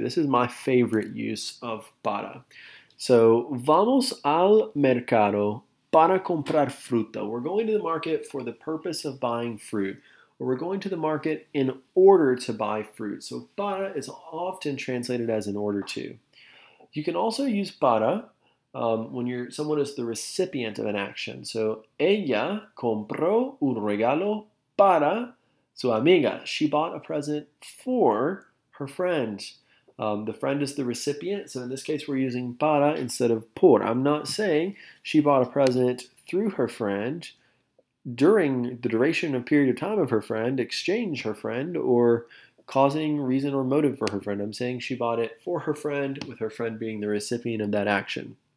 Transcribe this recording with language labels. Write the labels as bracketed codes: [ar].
[en] This is my favorite use of para. So, [es] vamos al mercado para comprar fruta. [en] We're going to the market for the purpose of buying fruit, or we're going to the market in order to buy fruit. So, para is often translated as in order to. You can also use para when someone is the recipient of an action. [es] So, ella compró un regalo para su amiga. [en] She bought a present for her friend. The friend is the recipient, so in this case we're using para instead of por. I'm not saying she bought a present through her friend, during the duration of period of time of her friend, exchange her friend, or causing reason or motive for her friend. I'm saying she bought it for her friend, with her friend being the recipient of that action.